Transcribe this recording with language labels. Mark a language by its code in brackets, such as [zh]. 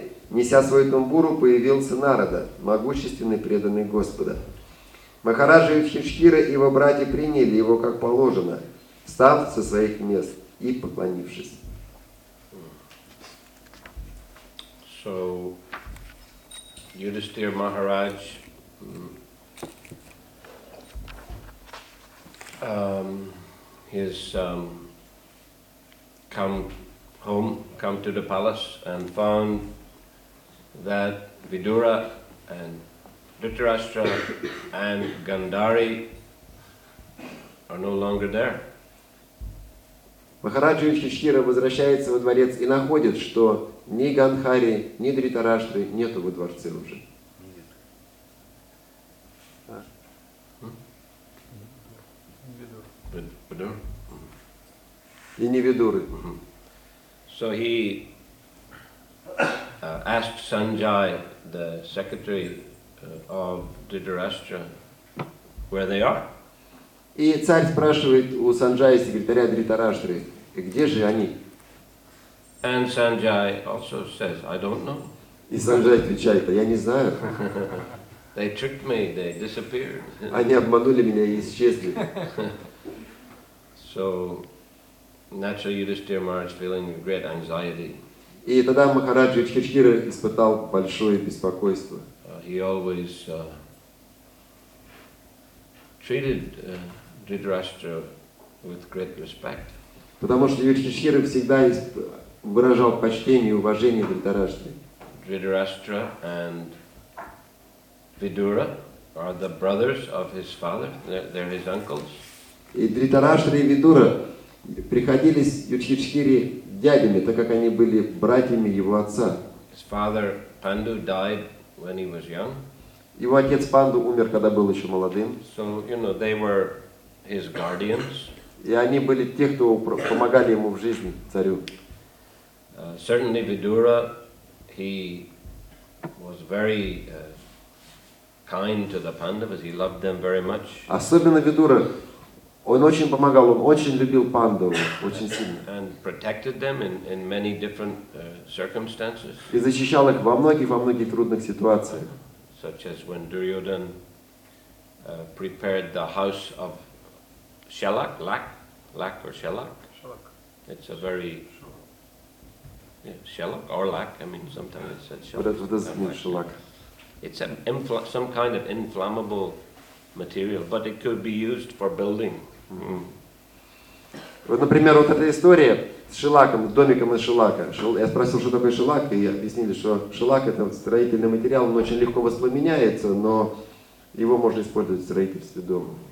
[ru] При этих словах Санджая, неся свою тумбуру, появился Нарада, могущественный преданный Господа. Махараджа Юдхиштхира и его братья приняли его как положено, встав со своих мест и поклонившись. [en] So, Yudhishthira Maharaj come to the palace and found that Vidura and Dhritarashtra and Gandhari are no longer there. [ru] Махараджа Юдхиштхира возвращается во дворец и находит, что ни Гандхари, ни Дхритарашты нету во дворце уже. И не Видуры. [en] So he asked Sanjay, the secretary of Dhritarashtra, where they are. [ru] И царь спрашивает у Санджая, секретаря Дхритарашты, где же они? [en] And Sanjay also says, I don't know. [ru] И Санджай отвечает, я не знаю. [en] They tricked me, they disappeared. [ru] Они обманули меня и исчезли. [en] So naturally, Yudhishthira Maharaj feeling great anxiety. [ru] И тогда Махараджа Юдхиштхира испытал большое беспокойство. [en] He always treated Dhritarashtra with great respect. [ru] Потому что Юдхиштхира всегда выражал почтение и уважение Дхритарашты. [en] Dhritarashtra and Vidura are the brothers of his father. They're his uncles. [ru] И Дхритараштра и Видура приходились Юдхиштхире дядями, так как они были братьями его отца. [en] His father Pandu died when he was young. [ru] Его отец Панду умер, когда был еще молодым. [en] So, you know, they were his guardians. [ru] И они были те, кто помогали ему в жизни, царю. [en] Certainly Vidura, he was very kind to the Pandavas. He loved them very much. [ru] Особенно Видура. Он очень помогал, он очень любил Пандаву, очень сильно. [en] And protected them in many different circumstances. [ru] И защищал их во многих трудных ситуациях. [en] Such as when Duryodhan prepared the house of Shalak, Lak or Shalak? Shalak. It's a very... Shalak or Lak, I mean, sometimes it's said Shalak. But it doesn't mean Shalak. It's some kind of inflammable material, but it could be used for building. Mm-hmm. [ru] Вот, например, вот эта история с шелаком, с домиком из шелака. Я спросил, что такое шелак, и объяснили, что шелак – это строительный материал, он очень легко воспламеняется, но его можно использовать в строительстве дома.